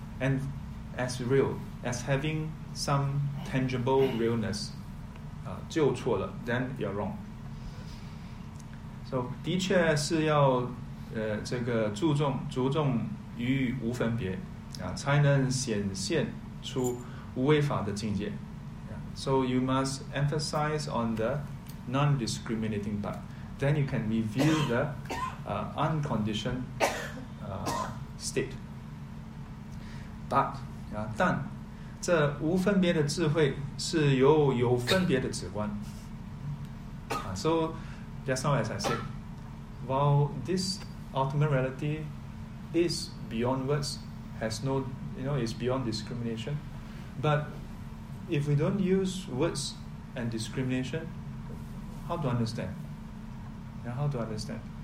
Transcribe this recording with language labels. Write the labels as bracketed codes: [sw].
[en] And as real, as having some tangible realness, [zh] 就错了, [en] then you're wrong. [zh] So, 的确是要 这个注重于无分别, 才能显现出无为法的境界。 [en] So you must emphasize on the non-discriminating part. Then you can reveal the unconditioned state. [zh] But, 但这无分别的智慧是由有分别的止观。 [en] So just now as I said, while this ultimate reality is beyond words, has no, you know, is beyond discrimination, but if we don't use words and discrimination, how to understand? Yeah, how to understand?